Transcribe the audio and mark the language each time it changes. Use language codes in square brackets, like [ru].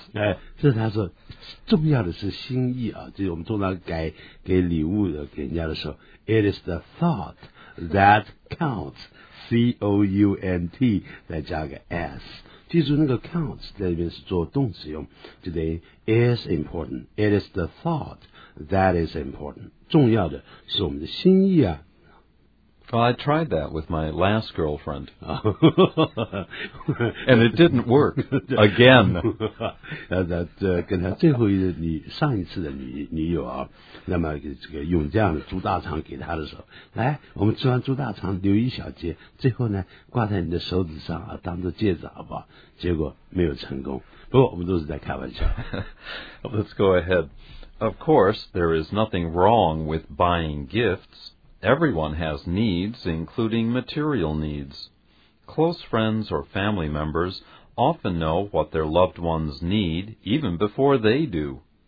[zh] 哎，这是他说重要的是心意啊，就是我们通常给礼物的给人家的时候 ， [en] it is the thought that counts. [zh] C O U N T 再加个 s。记住那个 counts 在里面是做动词用 ， [en] today is important. It is the thought that is important. [zh] 重要的是我们的心意啊。 [en] Well, I tried that with my last girlfriend, and it didn't work again. [zh] 跟他最后一个女上一次的女友啊，那么这个用这样的猪大肠给他的时候，来，我们吃完猪大肠留一小节，最后呢挂在你的手指上啊，当做戒指好不好？结果没有成功。不过我们都是在开玩笑。 [en] Let's go ahead. Of course, there is nothing wrong with buying gifts. Everyone has needs, including material needs. Close friends or family members often know what their loved ones need even before they do.